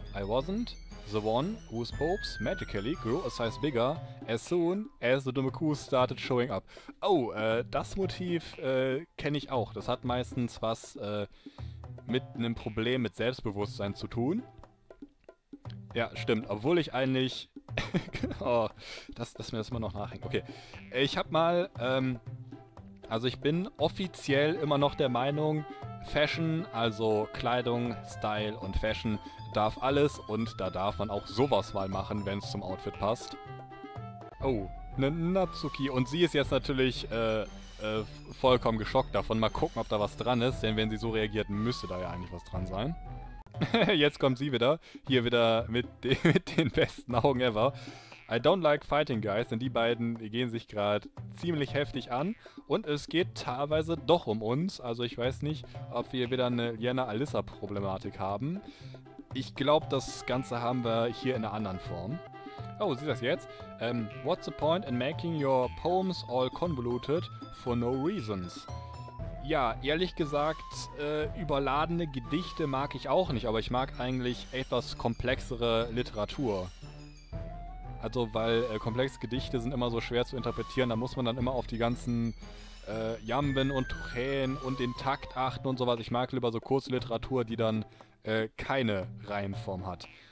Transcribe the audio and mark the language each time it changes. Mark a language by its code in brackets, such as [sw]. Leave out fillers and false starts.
[en] I wasn't the one whose boobs magically grew a size bigger as soon as the [de] dumme Kuh [en] started showing up. [de] Oh, das Motiv kenne ich auch. Das hat meistens was mit einem Problem mit Selbstbewusstsein zu tun. Ja, stimmt. Obwohl ich eigentlich... dass mir das immer noch nachhängt. Okay. Ich habe mal... ich bin offiziell immer noch der Meinung, Fashion, also Kleidung, Style und Fashion, darf alles und da darf man auch sowas mal machen, wenn es zum Outfit passt. Oh, ne Natsuki. Und sie ist jetzt natürlich vollkommen geschockt davon. Mal gucken, ob da was dran ist, denn wenn sie so reagiert, müsste da ja eigentlich was dran sein. Jetzt kommt sie wieder. Hier wieder mit den besten Augen ever. [en] I don't like fighting guys, [de] denn die beiden gehen sich gerade ziemlich heftig an. Und es geht teilweise doch um uns. Also ich weiß nicht, ob wir wieder eine Lyanna-Alyssa-Problematik haben. Ich glaube, das Ganze haben wir hier in einer anderen Form. Oh, siehst du das jetzt? [en] What's the point in making your poems all convoluted for no reasons? [de] Ja, ehrlich gesagt, überladene Gedichte mag ich auch nicht, aber ich mag eigentlich etwas komplexere Literatur. Also, weil komplexe Gedichte sind immer so schwer zu interpretieren, da muss man dann immer auf die ganzen Jamben und Tränen und den Takt achten und sowas. Ich mag lieber so kurze Literatur, die dann keine Reihenform hat.